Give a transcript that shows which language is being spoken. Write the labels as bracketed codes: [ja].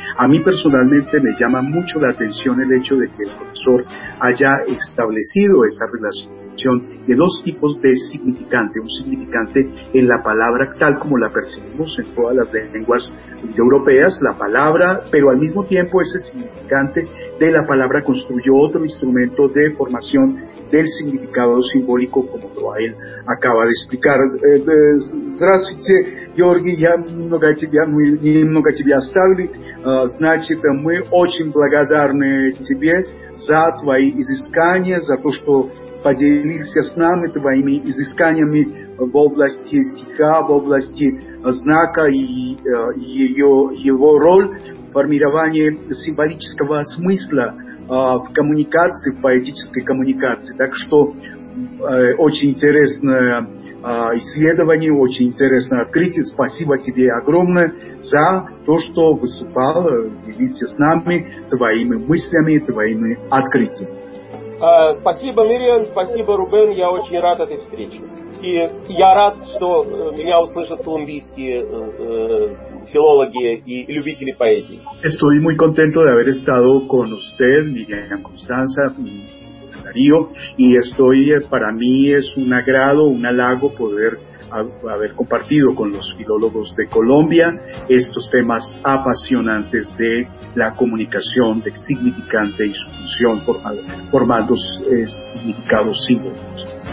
[es] A mí personalmente me llama mucho la atención el hecho de que el profesor haya establecido esa relación de dos tipos de significante, un significante en la palabra tal como la percibimos en todas las lenguas europeas, la palabra, pero al mismo tiempo ese significante de la palabra construyó otro instrumento de formación del significado simbólico, como lo a él acaba de explicar. [ru] Здравствуйте, Георгий, я много тебя, мы немного тебя оставили, значит, мы очень благодарны тебе за твои изыскания, за то, что поделился с нами твоими изысканиями в области стиха, в области знака и его роль в формировании символического смысла в коммуникации, в поэтической коммуникации. Так что очень интересное исследование, очень интересное открытие. Спасибо тебе огромное за то, что выступал, делился с нами твоими мыслями, твоими открытиями. Спасибо, Мириан, спасибо, Рубен, я очень рад этой встрече. И я рад, что меня услышат колумбийские филологи и любители поэзии. [es] Estoy muy contento de haber estado con usted, Miriam Constanza, Darío, y estoy, para mí es un agrado, un halago poder haber compartido con los filólogos de Colombia estos temas apasionantes de la comunicación, del significante y su función formando significados simbólicos.